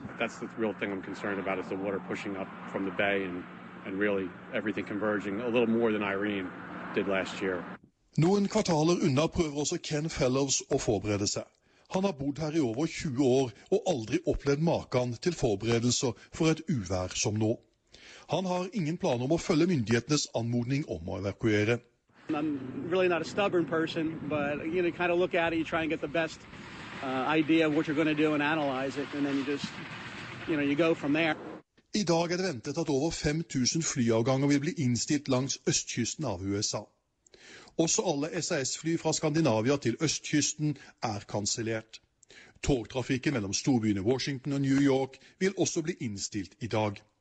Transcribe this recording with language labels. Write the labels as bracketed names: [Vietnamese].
[English] That's the real thing I'm concerned about is the water pushing up from the bay and really everything converging a little more than Irene did last year. [Norwegian] Noen kvartaler unna prøver også Ken Fellows å forberede seg. Han har bodd her i over 20 år og aldri opplevd maken til forberedelser for et uvær som nå. Han har ingen plan om å følge myndighetenes anmodning om å evakuere. [English] I'm really not a stubborn person, but you know, kind of look at it, you try and get the best idea of what you're going to do and analyze it, and then you just, you know, you go from there. [Norwegian] I dag er det ventet at over 5 000 flyavganger vil bli innstilt langs østkysten av USA. Også alle SAS-fly fra Skandinavia til østkysten er kansellert. Togtrafikken mellom storbyene Washington og New York vil også bli innstilt i dag.